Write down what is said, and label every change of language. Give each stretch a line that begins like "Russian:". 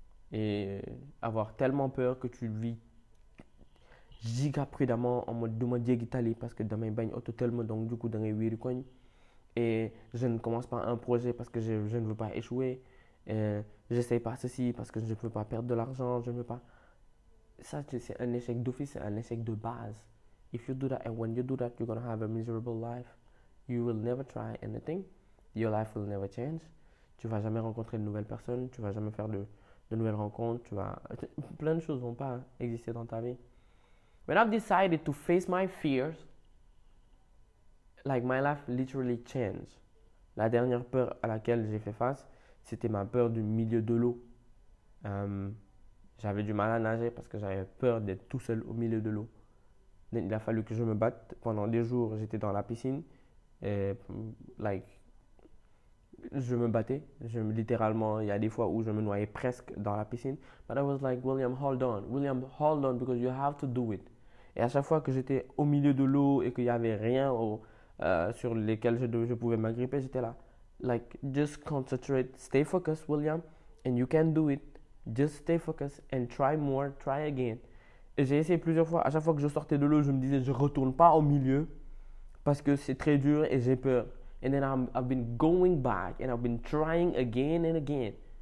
French: Et avoir tellement peur que tu vis giga prudemment en mode demande digitale parce que demain bagne auto tellement donc du coup dans les 8 coins. Et je ne commence pas un projet parce que je ne veux pas échouer. J'essaye pas ceci parce que je ne veux pas perdre de l'argent. Je ne veux pas. Ça, c'est un échec d'office, c'est un échec de base.
English: If you do that and when you do that, you're gonna have a miserable life. You will never try anything. Your life will never change.
French: Tu vas jamais rencontrer de nouvelles personnes. Tu vas jamais faire de nouvelles rencontres. Tu vas. Plein de choses vont pas exister dans ta vie.
English: When I've decided to face my fears, like my life literally changed.
French: La dernière peur à laquelle j'ai fait face, c'était ma peur du milieu de l'eau. J'avais du mal à nager parce que j'avais peur d'être tout seul au milieu de l'eau. Il a fallu que je me batte. Pendant des jours, j'étais dans la piscine. Et, like, je me battais. Littéralement, il y a des fois où je me noyais presque dans la piscine.
English: But I was like, William, hold on, because you have to do it.
French: Et à chaque fois que j'étais au milieu de l'eau et qu'il n'y avait rien sur lesquels je pouvais m'agripper, j'étais là.
English: Like, just concentrate, stay focused, William, and you can do it. Just stay focused and try more, try again.
French: Et j'ai essayé plusieurs fois. À chaque fois que je sortais de l'eau, je me disais, je ne retourne pas au milieu parce que c'est très dur et j'ai peur.
English: And then I've been going back and I've been trying again and again.